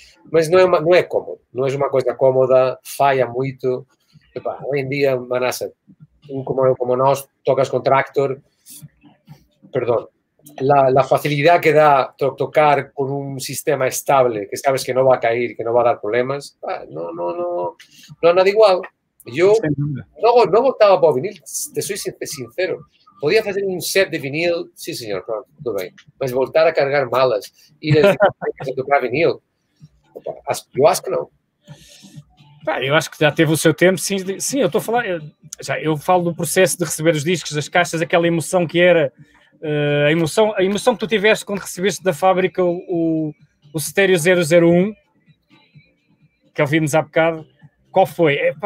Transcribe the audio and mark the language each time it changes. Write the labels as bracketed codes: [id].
[pt] Mas não é cómodo, não é uma coisa cómoda, falha muito. Epa, hoje em dia, Manassa, tu como nós, tocas com tractor. Perdão, a facilidade que dá tocar com um sistema estável, que sabes que não vai cair, que não vai dar problemas, não há nada igual. [es] Yo no votaba por vinil, te soy sincero. Podía hacer un set de vinil, sí señor, pero todo bien. Pues voltar a cargar malas y decir que tocar vinil. Yo acho que no. [pt] Eu acho que já teve o seu tempo, sim, eu estou a falar. Eu falo do processo de receber os discos, as caixas, aquela emoção que era a emoção que tu tiveste quando recebeste da fábrica o Stereo 001, que ouvimos há bocado. Qual foi?